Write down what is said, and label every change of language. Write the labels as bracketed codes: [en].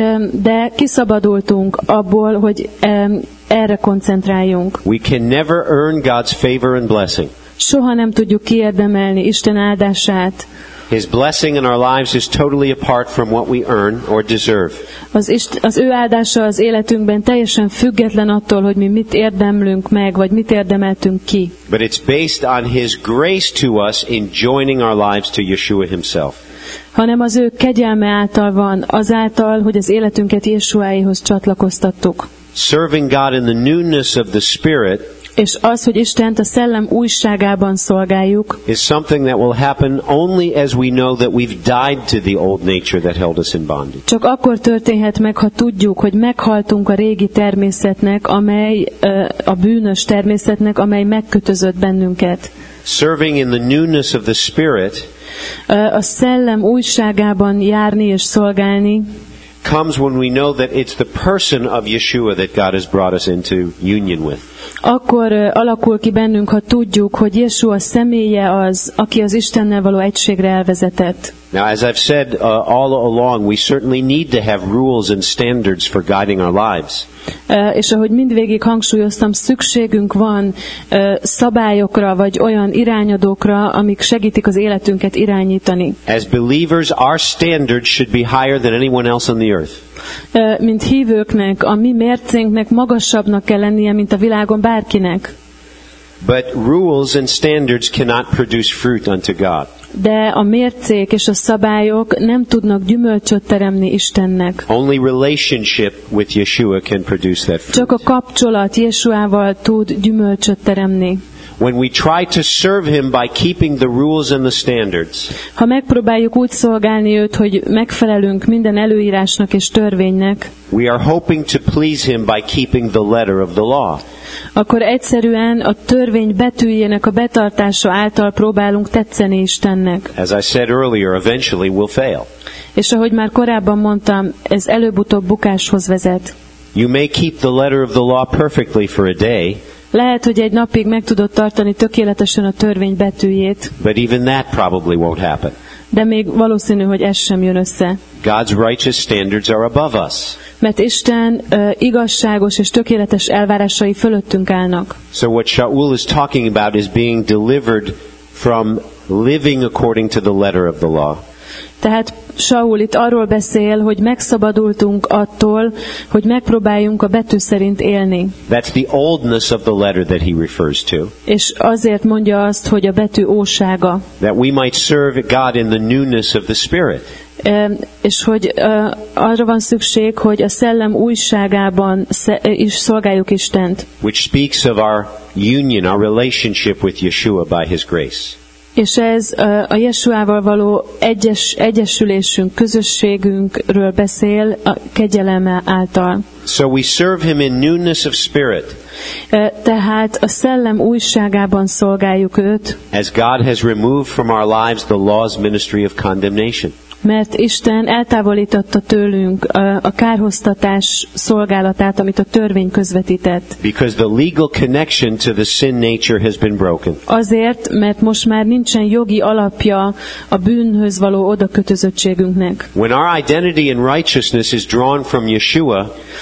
[hu] De kiszabadultunk abból, hogy erre koncentráljunk. [en] We can never earn God's favor and blessing. [hu] Soha nem tudjuk kiérdemelni Isten áldását. [en] His blessing in our lives is totally apart from what we earn or deserve. [hu] Az ő áldása az életünkben teljesen független attól, hogy mi mit érdemlünk meg, vagy mit érdemeltünk ki. [en] But it's based on his grace to us in joining our lives to Yeshua himself. [hu] Hanem az ő kegyelme által van, azáltal, hogy az életünket Yeshuáéhoz csatlakoztattuk. [en] Serving God in the newness of the Spirit, [hu] és az, hogy Istent a szellem újságában szolgáljuk, [en] is something that will happen only as we know that we've died to the old nature that held us in bondage. [hu] Csak akkor történhet meg, ha tudjuk, hogy meghaltunk a régi természetnek, amely a bűnös természetnek, amely megkötözött bennünket. [en] Serving in the newness of the Spirit, [hu] a szellem újságában járni és szolgálni, [en] comes when we know that it's the person of Yeshua that God has brought us into union with. [hu] Akkor alakul ki bennünk, ha tudjuk, hogy Yeshua személye az, aki az Istennel való egységre elvezetett. [en] Now, as I've said all along, we certainly need to have rules and standards for guiding our lives. [hu] És ahogy mindvégig hangsúlyoztam, szükségünk van szabályokra, vagy olyan irányadókra, amik segítik az életünket irányítani. [en] As believers, our standards should be higher than anyone else on the earth. [hu] Mint hívőknek, a mi mércénknek magasabbnak kell lennie, mint a világon bárkinek. [en] But rules and standards cannot produce fruit unto God. [hu] De a mércék és a szabályok nem tudnak gyümölcsöt teremni Istennek. [en] Only relationship with Yeshua can produce that fruit. [hu] Csak a kapcsolat Yeshuával tud gyümölcsöt teremni. [en] When we try to serve him by keeping the rules and the standards, [hu] ha megpróbáljuk úgy szolgálni őt, hogy megfelelünk minden előírásnak és törvénynek, [en] we are hoping to please him by keeping the letter of the law. [hu] Akkor egyszerűen a törvény betűjének a betartása által próbálunk tetszeni Istennek. [en] As I said earlier, eventually we'll fail. [hu] És ahogy már korábban mondtam, ez előbb-utóbb bukáshoz vezet. [en] You may keep the letter of the law perfectly for a day. [hu] Lehet, hogy egy napig meg tudod tartani tökéletesen a törvény betűjét. [en] But even that probably won't happen. [hu] De még valószínű, hogy ez sem jön össze. [en] God's righteous standards are above us. [hu] Mert Isten igazságos és tökéletes elvárásai fölöttünk állnak. [en] So what Shaul is talking about is being delivered from living according to the letter of the law. [hu] Tehát Saul itt arról beszél, hogy megszabadultunk attól, hogy megpróbáljunk a betű szerint élni. [en] That's the oldness of the letter that he refers to. [hu] És azért mondja azt, hogy a betű ósága. [en] That we might serve God in the newness of the Spirit. [hu] És hogy arra van szükség, hogy a szellem újságában is szolgáljuk Istent. [en] Which speaks of our union, our relationship with Yeshua by His grace. [hu] És ez a Jesuával való egyesülésünk, közösségünkről beszél a kegyelem által. [en] So we serve him in newness of spirit. [hu] Tehát a szellem újságában szolgáljuk őt. [en] As God has removed from our lives the law's ministry of condemnation. [hu] Mert Isten eltávolította tőlünk a kárhoztatás szolgálatát, amit a törvény közvetített. [en] Because the legal connection to the sin nature has been broken. [hu] Azért, mert most már nincsen jogi alapja a bűnhöz való odakötözöttségünknek. [en] When our identity and righteousness is drawn from Yeshua,